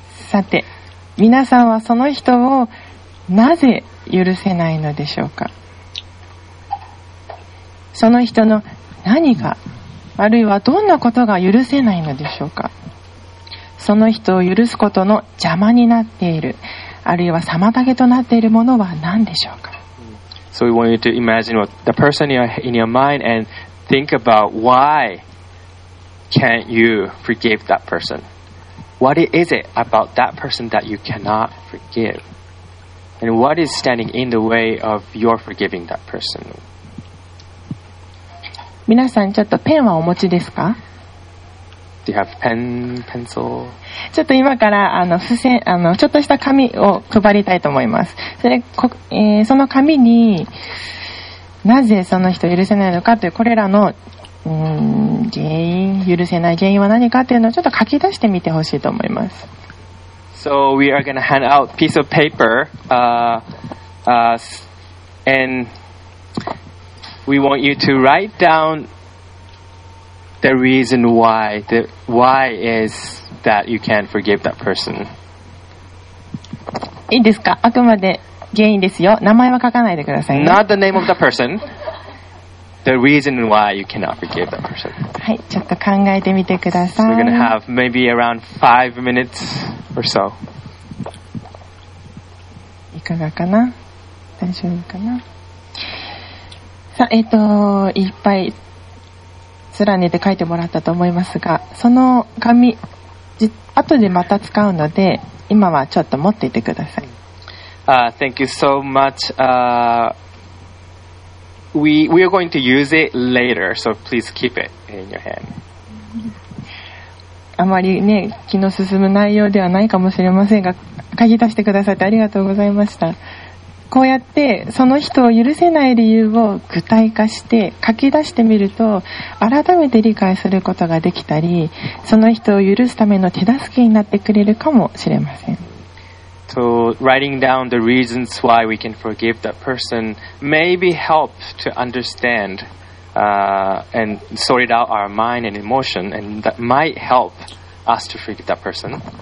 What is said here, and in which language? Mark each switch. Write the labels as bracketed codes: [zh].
[ja] さて、皆さんはその人をなぜ許せないのでしょうか。その人の何か、あるいはどんなことが許せないのでしょうか。その人を許すことの邪魔になっている、あるいは妨げとなっているものは何でしょうか。 [en] So we want you to imagine what the person in your mind and think about why can't you forgive that person. What is it about that person that you cannot forgive? And what is standing in the way of your forgiving that person? [ja] 皆さんちょっとペンはお持ちですか? [en] Do you have pen, pencil? [ja] ちょっと今からちょっとした紙を配りたいと思います。それ、その紙になぜその人許せないのかというこれらの原因、許せない原因は何かというのをちょっと書き出してみてほしいと思います。 [en] So we are going to hand out a piece of paper, and we want you to write down the reason why. Why is that you can't forgive that person? [ja] いいですか。あくまで原因ですよ。名前は書かないでください、ね。 [en] Not the name of the person. The reason why you cannot forgive that person. [ja] はい、ちょっと考えてみてください。 [en] So、we're going to have maybe around 5 minutes. Or so. [ja] いかがかな?大丈夫かな? さ、いっぱい連ねて書いてもらったと思いますが、その紙、後でまた使うので、今はちょっと持っていてください。 [en] Thank you so much. We are going to use it later, so please keep it in your hand. [ja] あまりね気の進む内容ではないかもしれませんが書き出してくださってありがとうございました。こうやってその人を許せない理由を具体化して書き出してみると改めて理解することができたりその人を許すための手助けになってくれるかもしれません。 [en] So writing down the reasons why we can forgive that person maybe help to understandand sort out our mind and emotion, and that might help us to forgive that person.